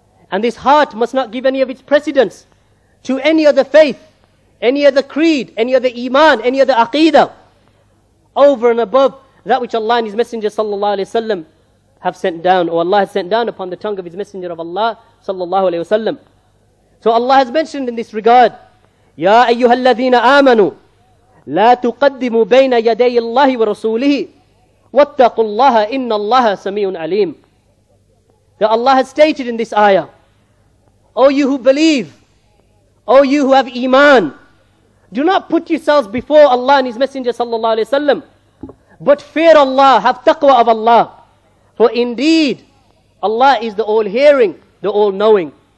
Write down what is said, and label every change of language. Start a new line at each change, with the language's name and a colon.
English: And this heart must not give any of its precedence to any other faith, any other creed, any other iman, any other aqeedah, over and above that which Allah and his Messenger sallallahu alayhi wasallam have sent down, or Allah has sent down upon the tongue of his Messenger of Allah sallallahu alayhi wasallam. So Allah has mentioned in this regard,
Arabic: يَا أَيُّهَا الَّذِينَ آمَنُوا لَا تُقَدِّمُوا بَيْنَ يَدَيِ اللَّهِ وَرَسُولِهِ وَاتَّقُوا اللَّهَ إِنَّ اللَّهَ سَمِيعٌ عَلِيمٌ.
English: That Allah has stated in this ayah, O you who believe, O you who have iman, do not put yourselves before Allah and His Messenger sallallahu alayhi wa sallam But fear Allah, have taqwa of Allah. For indeed, Allah is the all-hearing, the all-knowing.